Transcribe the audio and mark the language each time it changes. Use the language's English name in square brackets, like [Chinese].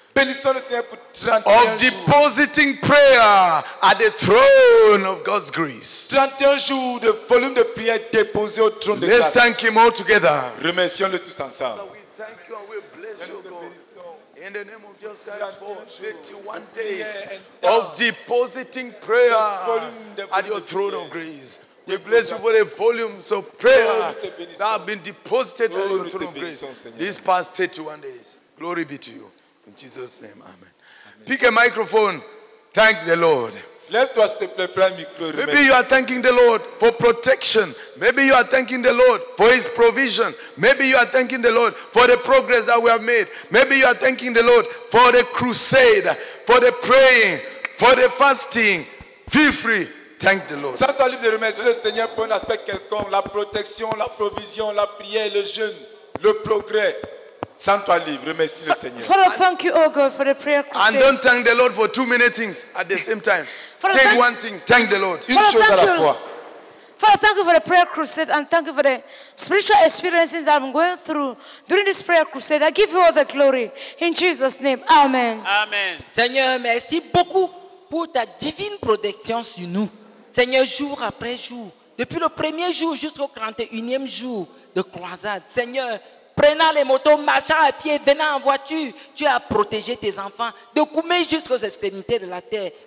[English] Of depositing prayer at the throne of God's grace. [French] 31 jours de volume de prière déposé au trône de grâce. [English] Let's thank him all together. [French] Remercions-le tous ensemble. [English] We thank you and we bless you, God. In the name of Jesus Christ, for 31 days of depositing prayer at your throne of grace. We bless you for the volumes of prayer that have been deposited at your throne of grace these past 31 days. Glory be to you. In Jesus' name, amen. Pick a microphone. Thank the Lord. Maybe you are thanking the Lord for protection. Maybe you are thanking the Lord for his provision. Maybe you are thanking the Lord for the progress that we have made. Maybe you are thanking the Lord for the crusade, for the praying, for the fasting. Feel free. Thank the Lord. [French] Sans toi, libre de remercier le Seigneur pour un aspect quelconque, la protection, la provision, la prière, le jeûne, le progrès. Sans toi, libre, remercie le Seigneur. [English] Father, thank you, O God, for the prayer crusade. And don't thank the Lord for too many things at the same time. Take one thing, thank the Lord. [French] Une chose à la fois. [English] Father, thank you for the prayer crusade and thank you for the spiritual experiences that I'm going through during this prayer crusade. I give you all the glory in Jesus' name. Amen. Amen. [French] Seigneur, merci beaucoup pour ta divine protection sur nous. Seigneur, jour après jour, depuis le premier jour jusqu'au 31e jour de croisade, Seigneur, prenant les motos, marchant à pied, venant en voiture, tu as protégé tes enfants de Goumé jusqu'aux extrémités de la terre.